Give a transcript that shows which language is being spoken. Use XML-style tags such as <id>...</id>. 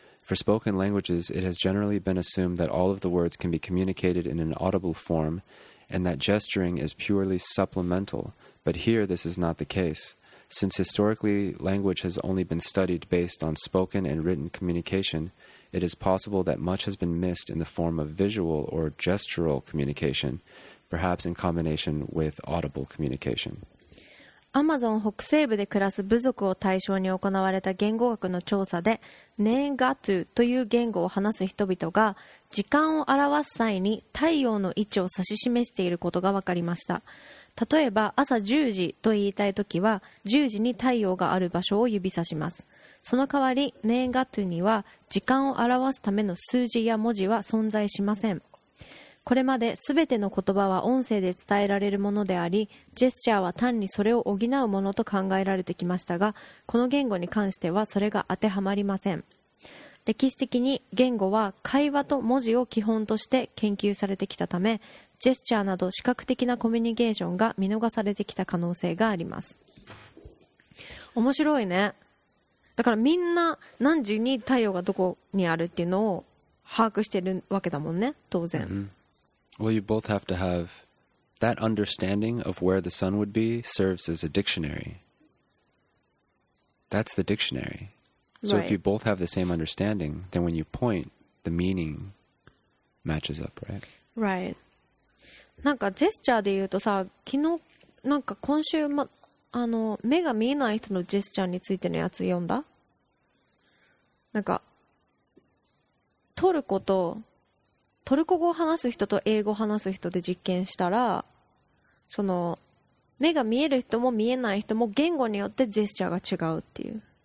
<en>For spoken languages, it has generally been assumed that all of the words can be communicated in an audible form and that gesturing is purely supplemental, but here this is not the case. Since historically language has only been studied based on spoken and written communication, it is possible that much has been missed in the form of visual or gestural communication,Perhaps in combination with audible communication.</en> <ja>アマゾン北西部で暮らす部族を対象に行われた言語学の調査で、ネンガトゥという言語を話す人々が時間を表す際に太陽の位置を指し示していることが分かりました。例えば朝10時と言いたいときは10時に太陽がある場所を指さします。その代わりネガトゥには時間を表すための数字や文字は存在しません。これまで全ての言葉は音声で伝えられるものであり、ジェスチャーは単にそれを補うものと考えられてきましたが、この言語に関してはそれが当てはまりません。歴史的に言語は会話と文字を基本として研究されてきたため、ジェスチャーなど視覚的なコミュニケーションが見逃されてきた可能性があります。面白いね。だからみんな何時に太陽がどこにあるっていうのを把握してるわけだもんね、当然。 Mm-hmm.</ja> <en>Well, you both have to have that understanding of where the sun would be serves as a dictionary. That's the dictionary. So if you both have the same understanding, then when you point, the meaning matches up, right? Right.</en> <ja>なんかジェスチャーで言うとさ、昨日なんか今週ま、あの目が見えない人のジェスチャーについてのやつ読んだ？なんかトルコとトルコ語を話す人と英語を話す人で実験したら、その目が見える人も見えない人も言語によってジェスチャーが違うっていう。</ja>